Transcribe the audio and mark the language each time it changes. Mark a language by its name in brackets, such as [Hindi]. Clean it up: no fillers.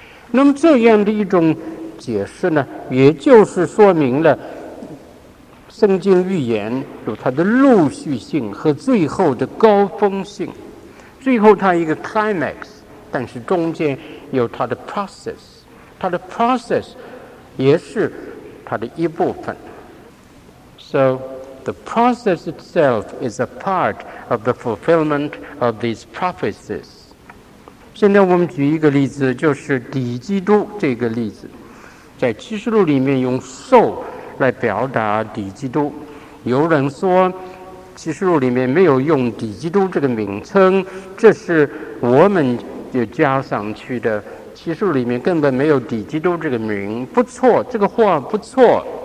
[Chinese] 那么这样的一种解释呢，也就是说明了圣经预言有它的陆续性和最后的高峰性，最后它一个 climax， 但是中间有它的 process， 它的 process也是它的一部分。 [English] So the process itself is a part of the fulfillment of these prophecies. [Chinese] 现在我们举一个例子，就是底基督这个例子，在启示录里面用兽来表达底基督。有人说启示录里面没有用底基督这个名称，这是我们就加上去的，启示录里面根本没有底基督这个名，不错，这个话不错。